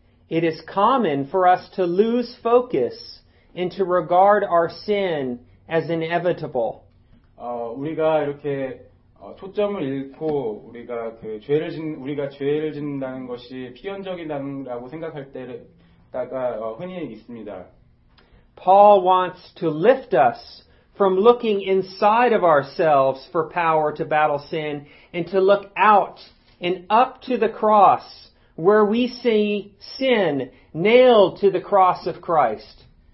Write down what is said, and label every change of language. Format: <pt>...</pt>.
<en>It is common for us to lose focus and to regard our sin as inevitable.</en> <ko>우리가 이렇게 초점을 잃고 우리가 우리가 죄를 짓는다는 것이 필연적이라고 생각할 때가 흔히 있습니다.</ko> <en>Paul wants to lift us from looking inside of ourselves for power to battle sin and to look out and up to the cross where we see sin nailed to the cross of Christ.</en>